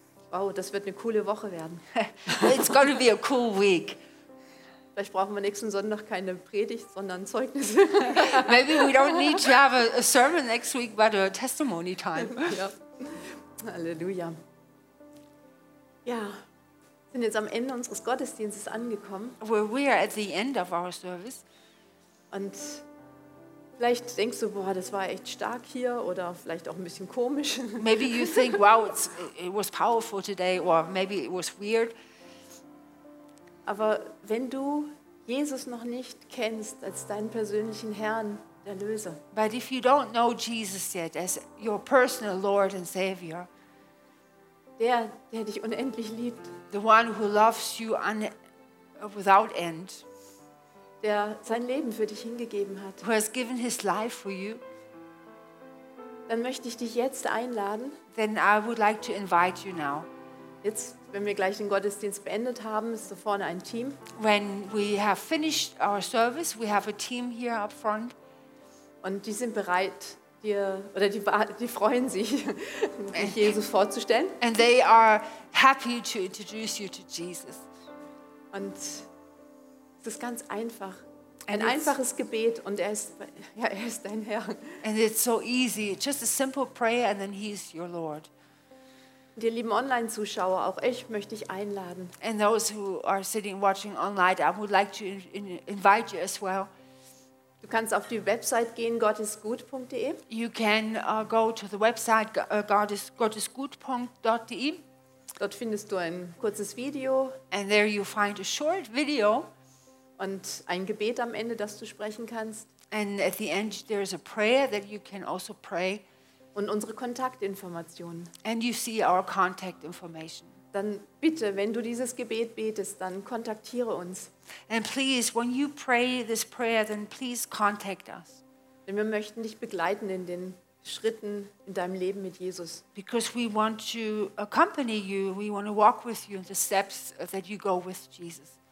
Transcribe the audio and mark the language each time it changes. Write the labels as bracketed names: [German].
[German] Ja. Wow, das wird eine coole Woche werden. [English] It's gonna be a cool week. [German] Vielleicht brauchen wir nächsten Sonntag keine Predigt, sondern Zeugnis. [English] Maybe we don't need to have a sermon next week, but a testimony time. [German] Ja. Halleluja. Ja, wir sind jetzt am Ende unseres Gottesdienstes angekommen. [English] Well, we are at the end of our service. [German] Und vielleicht denkst du, boah, das war echt stark hier, oder vielleicht auch ein bisschen komisch. [English] Maybe you think, wow, it was powerful today, or maybe it was weird. [German] Aber wenn du Jesus noch nicht kennst als deinen persönlichen Herrn, Erlöser. [English] But if you don't know Jesus yet as your personal Lord and Savior, [German] der dich unendlich liebt, [English] the one who loves you without end, [German] der sein Leben für dich hingegeben hat, [English] who has given his life for you, [German] dann möchte ich dich jetzt einladen, [English] then I would like to invite you now. [German] Jetzt, wenn wir gleich den Gottesdienst beendet haben, ist da vorne ein Team. [English] When we have finished our service, we have a team here up front. [German] Und die sind bereit, die freuen sich, dich Jesus vorzustellen. [English] And they are happy to introduce you to Jesus. [German] Und es ist ganz einfach. Ein einfaches Gebet und er ist dein Herr. [English] And it's so easy. Just a simple prayer and then he is your Lord. [German] Und ihr lieben Online-Zuschauer, auch ich möchte dich einladen. [English] And those who are sitting watching online, I would like to invite you as well. [German] Du kannst auf die Website gehen, gottisgut.de. [English] You can go to the website gottisgut.de. [German] Dort findest du ein kurzes Video. [English] And there you find a short video. [German] Und ein Gebet am Ende, das du sprechen kannst. [English] And at the end there is a prayer that you can also pray. [German] Und unsere Kontaktinformationen. [English] And you see our contact information. [German] Dann bitte, wenn du dieses Gebet betest, dann kontaktiere uns. [English] And please, when you pray this prayer, then please contact us. [German] Denn wir möchten dich begleiten in den Schritten in deinem Leben mit Jesus. [English] Because we want to accompany you, we want to walk with you in the steps that you go with Jesus.